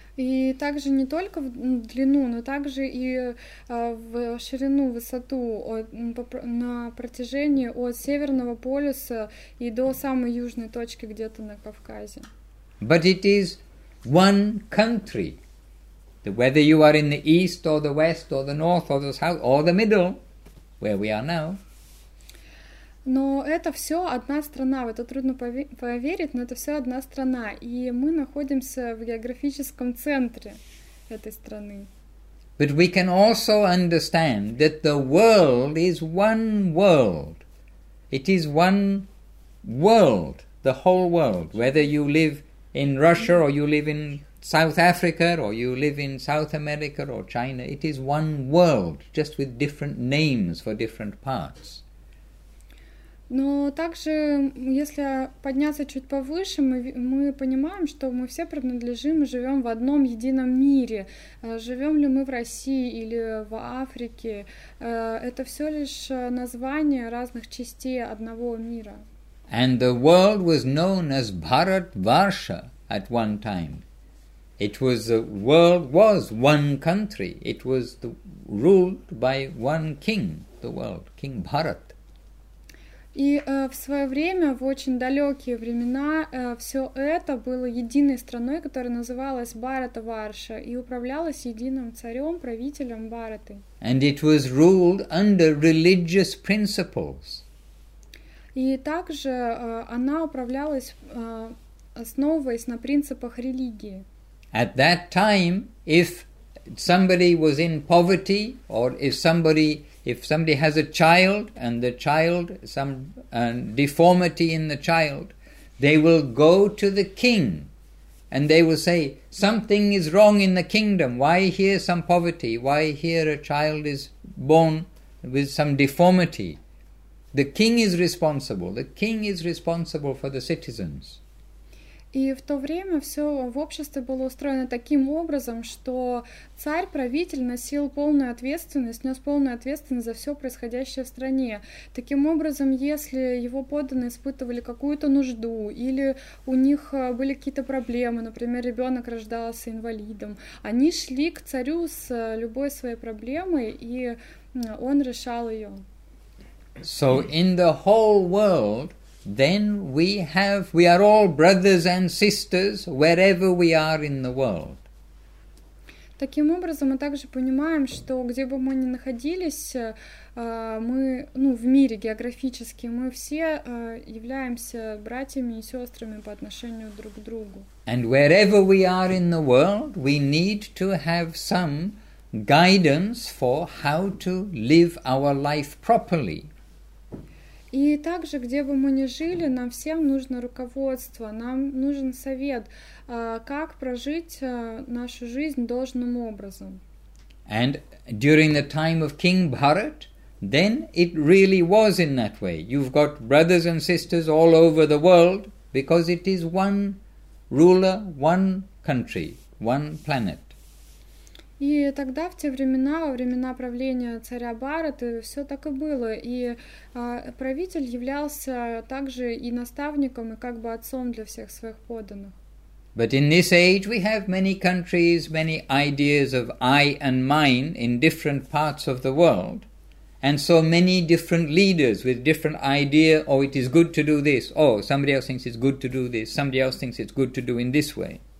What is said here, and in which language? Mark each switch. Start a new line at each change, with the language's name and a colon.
Russian: И также не только в длину, но также и в ширину, высоту на протяжении от Северного полюса и до самой южной точки где-то на Кавказе.
English: But it is one country. Whether you are in the east or the west or the north or the south or the middle, where we are now.
Russian: Но это все одна страна, в это трудно поверить, но это все одна страна, и мы находимся в географическом центре этой страны.
English: But we can also understand that the world is one world. It is one world, the whole world. Whether you live in Russia or you live in South Africa or you live in South America or China, it is one world, just with different names for different parts.
Russian: Но также, если подняться чуть повыше, мы понимаем, что мы все принадлежим и живем в одном едином мире. Живем ли мы в России или в Африке? Это все лишь название разных частей одного мира.
English: And the world was known as Bharatvarsha at one time. It was the world was one country. It was ruled by one king, the world, King Bharat.
Russian: И в свое время, в очень далекие времена, все это было единой страной, которая называлась Бхарата-Варша, и управлялась единым царем, правителем Бхараты.
English: And it was ruled under religious principles.
Russian: И также она управлялась, основываясь на принципах религии.
English: At that time, if somebody was in poverty, or if somebody has a child, and the child, some deformity in the child, they will go to the king, and they will say, something is wrong in the kingdom, why here some poverty, why here a child is born with some deformity. The king is responsible for the citizens.
Russian: И в то время все в обществе было устроено таким образом, что царь-правитель носил полную ответственность, нес полную ответственность за все происходящее в стране. Таким образом, если его подданные испытывали какую-то нужду, или у них были какие-то проблемы, например, ребенок рождался инвалидом, они шли к царю с любой своей проблемой, и он решал ее.
English: So in the whole world, then we are all brothers and sisters wherever we are in the world.
Russian: Таким образом, мы также понимаем, что где бы мы ни находились, в мире географически, мы все являемся братьями и сестрами по отношению друг к другу.
English: And wherever we are in the world, we need to have some guidance for how to live our life properly.
Russian: И также, где бы мы ни жили, нам всем нужно руководство, нам нужен совет, как прожить нашу жизнь должным образом.
English: And during the time of King Bharat, then it really was in that way. You've got brothers and sisters all over the world, because it is one ruler, one country, one planet.
Russian: И тогда, в те времена, во времена правления царя Бхараты, все так и было. И правитель являлся также и наставником, и как бы отцом для всех своих подданных.
English: But in this age we have many countries, many ideas of I and mine in different parts of the world. And so many different leaders with different idea, oh, it is good to do this. Oh, somebody else thinks it's good to do this. Somebody else thinks it's good to do in this way.